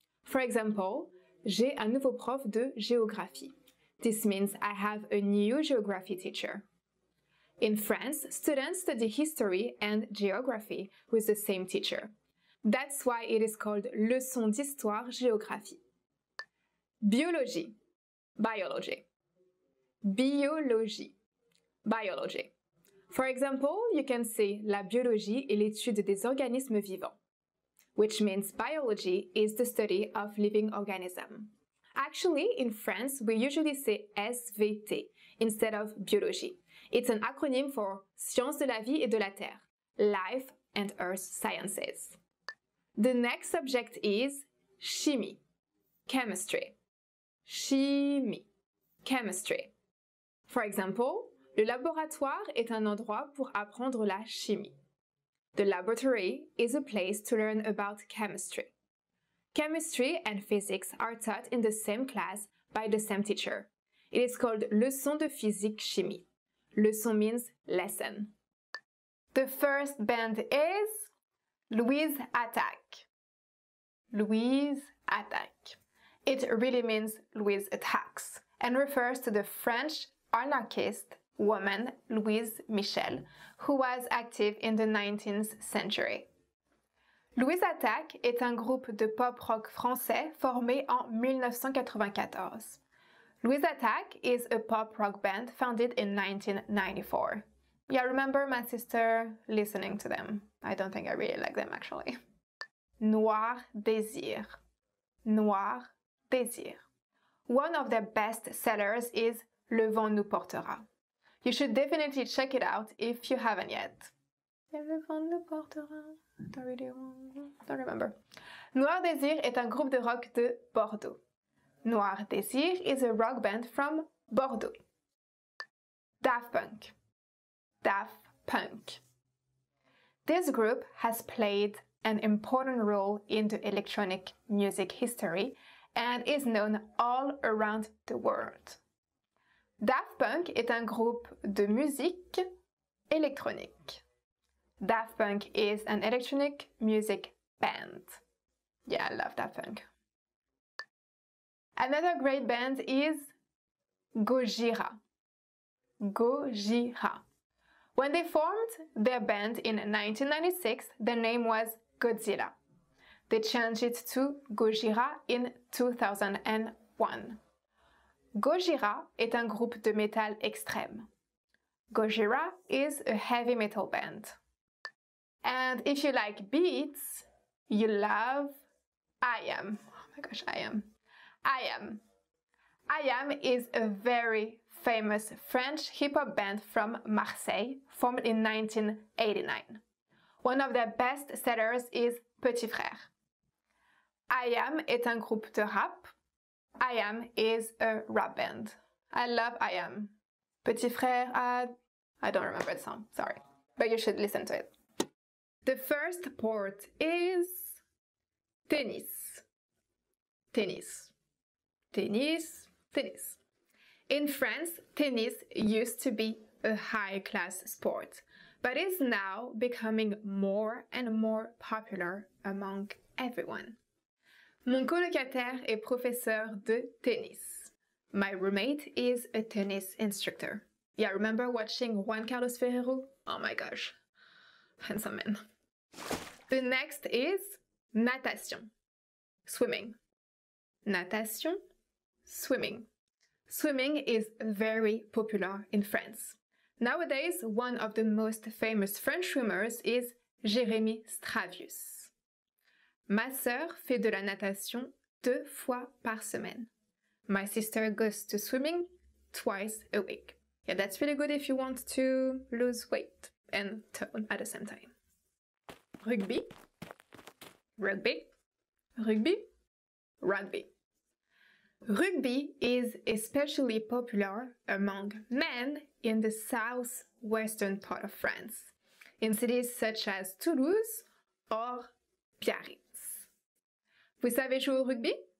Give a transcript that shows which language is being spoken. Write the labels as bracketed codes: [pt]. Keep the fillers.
[en] For example, [fr] j'ai un nouveau prof de géographie. [en] This means I have a new geography teacher. In France, students study history and geography with the same teacher. That's why it is called Leçon d'histoire géographie. Biologie. Biology. biology biologie. Biology. For example, you can say [fr] la biologie est l'étude des organismes vivants, [en] which means biology is the study of living organisms. Actually, in France, we usually say SVT instead of biologie. It's an acronym for Sciences de la vie et de la terre, Life and Earth Sciences. The next subject is chimie, chemistry. Chimie, chemistry. chemistry. For example, [fr] le laboratoire est un endroit pour apprendre la chimie. [en] The laboratory is a place to learn about chemistry. Chemistry and physics are taught in the same class by the same teacher. It is called leçon de physique chimie. Leçon means lesson. The first band is Louise Attack. Louise Attack. It really means Louise attacks and refers to the French anarchist woman Louise Michel, who was active in the 19th century. [fr] Louise Attack est un groupe de pop rock français formé en 1994. [en] Louise Attaque is a pop rock band founded in 1994. Yeah, I remember my sister listening to them. I don't think I really like them actually. Noir Désir. Noir Désir. One of their best sellers is Le vent nous portera. You should definitely check it out if you haven't yet. [fr] Le vent nous [en] portera. I don't remember. [fr] Noir Désir est un groupe de rock de Bordeaux. [en] Noir Désir is a rock band from Bordeaux. Daft Punk. Daft Punk. This group has played an important role in the electronic music history and is known all around the world. Daft Punk is a group of musique électronique. Daft Punk is an electronic music band. Yeah, I love Daft Punk. Another great band is Gojira. Gojira. When they formed their band in 1996, their name was Godzilla. They changed it to Gojira in 2001. [fr] Gogira est un groupe de métal extrême. [en] Gogira is a heavy metal band. And if you like beats, you love I Am. Oh my gosh, I Am. I Am. I Am is a very famous French hip hop band from Marseille, formed in 1989. One of their best sellers is Petit Frère. [fr] I Am est un groupe de rap [en] I am is a rap band. I love I am. Petit frère, uh, I don't remember the song, sorry. But you should listen to it. The first port is tennis. Tennis. Tennis. Tennis. In France, tennis used to be a high class sport, but is now becoming more and more popular among everyone. [fr] Mon colocataire est professeur de tennis. [en] My roommate is a tennis instructor. Yeah, remember watching Juan Carlos Ferrero? Oh my gosh, handsome man. The next is natation, swimming. Natation, swimming. Swimming is very popular in France. Nowadays, one of the most famous French swimmers is Jérémy Stravius. [fr] Ma sœur fait de la natation deux fois par semaine. [en] My sister goes to swimming twice a week. Yeah, that's really good if you want to lose weight and tone at the same time. Rugby. Rugby. Rugby. Rugby. Rugby is especially popular among men in the southwestern part of France, in cities such as Toulouse or Biarritz.